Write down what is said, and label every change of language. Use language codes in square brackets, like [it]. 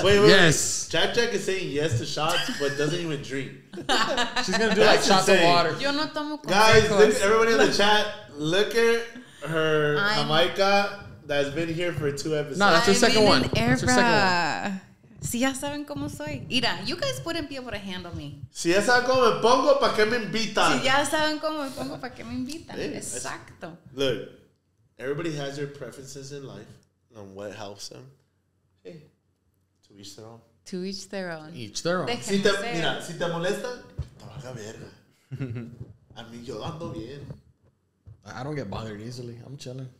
[en] Wait. Jack Jack is saying yes to shots, but doesn't even drink. She's going to do like shots of water. [es] Yo no tomo con [en] guys, look, everybody in the chat, look at her Jamaica that's been here for two episodes. No, that's her second one. [es] Era. [en] That's her second one. [es] Si ya saben cómo soy. Mira, [en] you guys wouldn't be able to handle me. [es] Si ya saben cómo me pongo, ¿para qué me invitan? Si ya saben cómo me pongo, ¿para qué me invitan? Exacto. [en] Look, everybody has their preferences in life on what helps them. To each their own. To each their own. Each their own. [es] Si te, mira, si te molesta, te va a verga. A mí yo ando bien. [en] I don't get bothered easily. I'm chilling.